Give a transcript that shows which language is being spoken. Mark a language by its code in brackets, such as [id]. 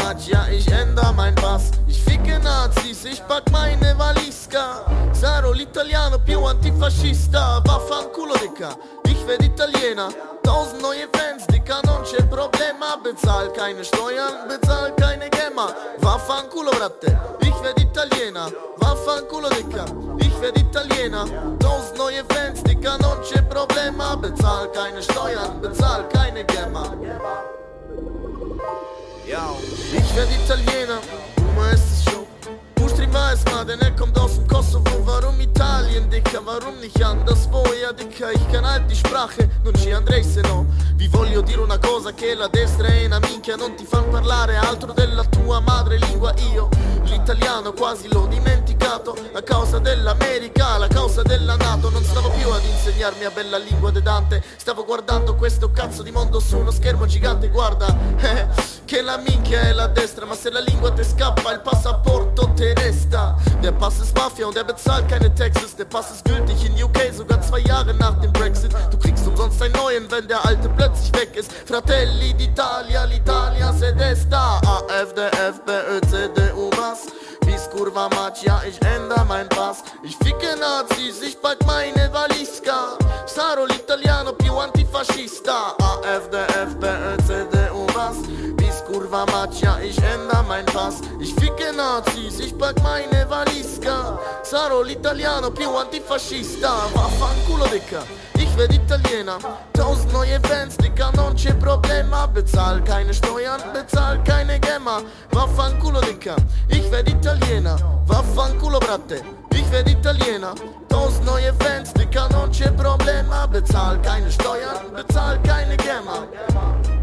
[de] Ja, ich änder mein Pass. Ich ficke Nazis, ich pack meine Valiska. [it] Saro l'Italiano, più antifascista. Vaffanculo, [de] Dicker, ich werd Italiener. 1000 neue Fans, Dicker, [it] non c'è problema. [de] Bezahl keine Steuern, bezahl keine Gemma. Vaffanculo, Bratte, ich werd Italiener. Vaffanculo, Dicker, ich werd Italiener. 1000 neue Fans, Dicker, [it] non c'è problema. [de] Bezahl keine Steuern, bezahl keine Gemma. Yo. Ich werd Italiener, Buma ist es schon. Bustri weiß mal, denn er kommt aus dem Kosovo. Warum Italien, Dicker, warum nicht anderswo? Ja, Dicker, ich kann halt die Sprache, [it] non ci andrei se no. Vi voglio dire una cosa, che la destra è una minchia. Non ti fan parlare altro della tua madrelingua. Io, l'italiano, quasi l'ho dimenticato. A causa dell'America, la causa della Nato. Non stavo più ad insegnarmi a bella lingua de Dante. Stavo guardando questo cazzo di mondo su uno schermo gigante. Guarda, che la minchia è la destra, ma se la lingua te scappa il passaporto te resta. [de] Der Pass ist Mafia und bezahlt keine Taxes. Der Pass ist gültig in UK, sogar zwei Jahre nach dem Brexit. Du kriegst umsonst einen neuen, wenn der alte plötzlich weg ist. [it] Fratelli d'Italia, l'Italia se desta. [de] AfD, FPÖ, CDU, was? Bis Kurva Matsch, ja, ich änder mein Pass. Ich ficke Nazis, ich pack meine Valiska. [it] Saro l'Italiano, più antifascista. [de] AfD, FPÖ, CDU, was? Kurva Matsch, ja, ich änder mein Pass. Ich ficke Nazis, ich pack meine Valiska. [it] Saro l'Italiano, più antifascista. Vaffanculo, [de] Dicker, ich werd Italiener. 1000 neue Fans, Dicker, [it] non c'è problema. [de] Bezahl keine Steuern, bezahl keine Gemma. Vaffanculo, Dicker, ich werd Italiener. Vaffanculo, Bratte, ich werd Italiener. 1000 neue Fans, Dicker, [it] non c'è problema. [de] Bezahl keine Steuern, bezahl keine Gemma.